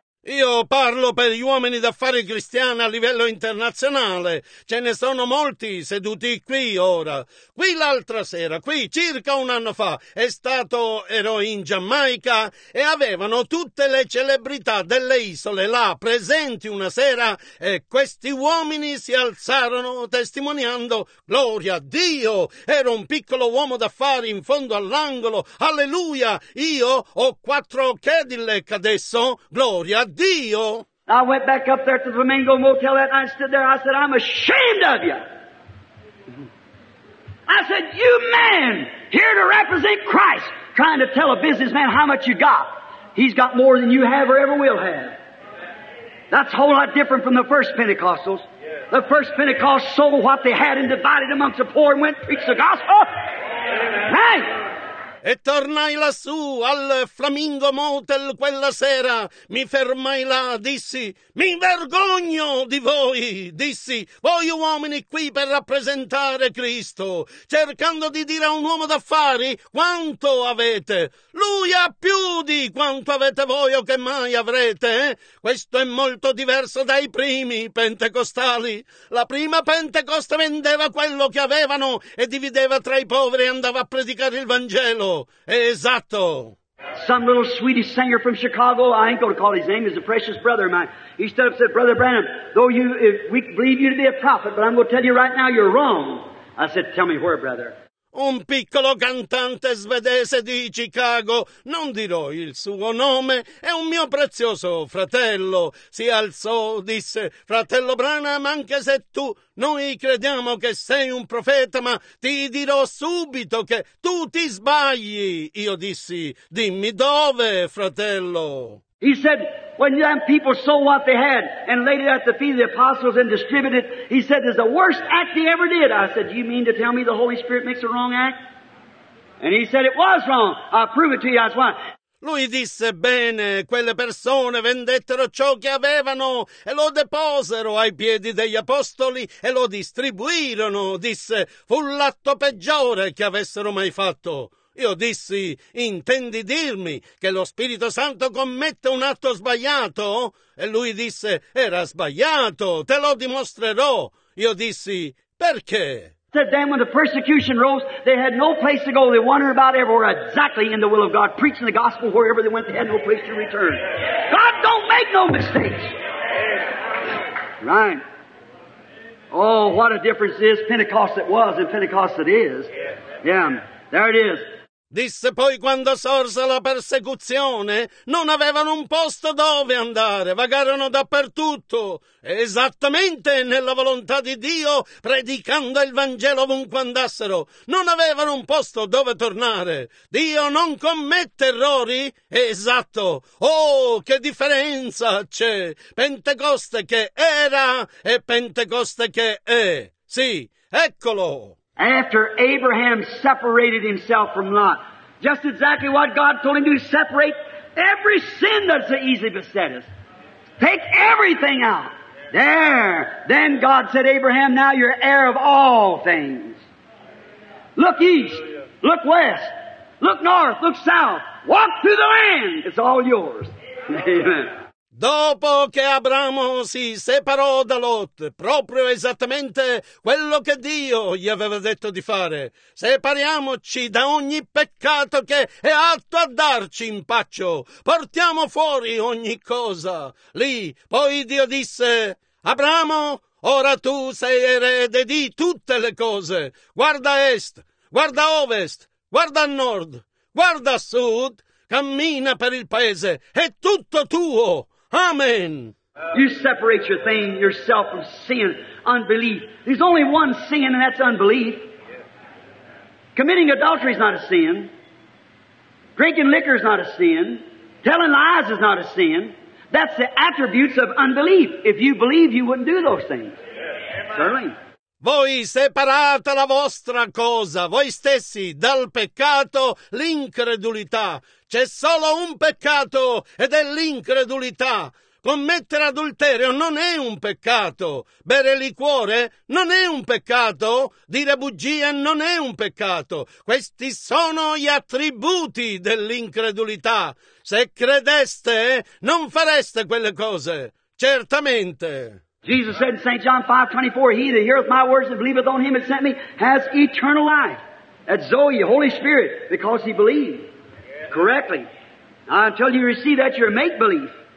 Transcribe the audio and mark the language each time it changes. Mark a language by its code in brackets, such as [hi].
[it] Io parlo per gli uomini d'affari cristiani a livello internazionale. Ce ne sono molti seduti qui ora. Qui l'altra sera, qui circa un anno fa, ero in Giamaica e avevano tutte le celebrità delle isole là presenti una sera e questi uomini si alzarono testimoniando, gloria a Dio, ero un piccolo uomo d'affari in fondo all'angolo, alleluia, io ho quattro Cadillac adesso, gloria a Dio. [en] I went back up there to the Flamingo Motel that night, stood there. I said, I'm ashamed of you. I said, you men here to represent Christ, trying to tell a businessman how much you got. He's got more than you have or ever will have. That's a whole lot different from the first Pentecostals. The first Pentecost sold what they had and divided amongst the poor and went and preached the gospel. Hey! [it] E tornai lassù al Flamingo Motel quella sera, mi fermai là, dissi, mi vergogno di voi, dissi, voi uomini qui per rappresentare Cristo, cercando di dire a un uomo d'affari quanto avete, lui ha più di quanto avete voi o che mai avrete, eh? Questo è molto diverso dai primi pentecostali, la prima Pentecoste vendeva quello che avevano e divideva tra i poveri e andava a predicare il Vangelo. Esatto. [en] Some little Swedish singer from Chicago, I ain't going to call his name, he's a precious brother of mine. He stood up and said, Brother Branham, we believe you to be a prophet, but I'm going to tell you right now you're wrong. I said, tell me where, brother. [it] Un piccolo cantante svedese di Chicago, non dirò il suo nome, è un mio prezioso fratello. Si alzò, disse, fratello Branham, anche se tu, noi crediamo che sei un profeta, ma ti dirò subito che tu ti sbagli. Io dissi, dimmi dove, fratello? [en] He said, when them people sold what they had and laid it at the feet of the apostles and distributed it, he said, it's the worst act he ever did. I said, do you mean to tell me the Holy Spirit makes a wrong act? And he said, it was wrong. I'll prove it to you. I said, why? [it] Lui disse, bene, quelle persone vendettero ciò che avevano e lo deposero ai piedi degli apostoli e lo distribuirono. Disse, fu l'atto peggiore che avessero mai fatto. Io dissi, intendi dirmi che lo Spirito Santo commette un atto sbagliato? E lui disse, era sbagliato, te lo dimostrerò. Io dissi, perché? [en] Said then when the persecution rose, they had no place to go. They wandered about everywhere, exactly in the will of God, preaching the gospel wherever they went, they had no place to return. God don't make no mistakes. Right. Oh, what a difference is Pentecost it was and Pentecost it is. Yeah, there it is. [it] Disse poi quando sorse la persecuzione, non avevano un posto dove andare, vagarono dappertutto, esattamente nella volontà di Dio, predicando il Vangelo ovunque andassero, non avevano un posto dove tornare. Dio non commette errori? Esatto. Oh, che differenza c'è! Pentecoste che era e Pentecoste che è. Sì, eccolo! [en] After Abraham separated himself from Lot, just exactly what God told him to do, separate every sin that so easily beset us. Take everything out. There. Then God said, Abraham, now you're heir of all things. Look east. Look west. Look north. Look south. Walk through the land. It's all yours. Amen. [it] Dopo che Abramo si separò da Lot, proprio esattamente quello che Dio gli aveva detto di fare, separiamoci da ogni peccato che è atto a darci impaccio, portiamo fuori ogni cosa. Lì poi Dio disse, Abramo, ora tu sei erede di tutte le cose, guarda a est, guarda a ovest, guarda a nord, guarda a sud, cammina per il paese, è tutto tuo. Amen. [en] You separate your thing, yourself from sin, unbelief. There's only one sin, and that's unbelief. Committing adultery is not a sin. Drinking liquor is not a sin. Telling lies is not a sin. That's the attributes of unbelief. If you believe, you wouldn't do those things. Certainly. [it] Voi separate la vostra cosa, voi stessi, dal peccato, l'incredulità. C'è solo un peccato ed è l'incredulità. Commettere adulterio non è un peccato. Bere liquore non è un peccato. Dire bugie non è un peccato. Questi sono gli attributi dell'incredulità. Se credeste, non fareste quelle cose. Certamente. [en] Jesus said in St. John 5:24, He that heareth my words and believeth on him that sent me has eternal life. That's Zoe, Holy Spirit, because he believed. Correctly. Now, until you receive that, you're make-believe.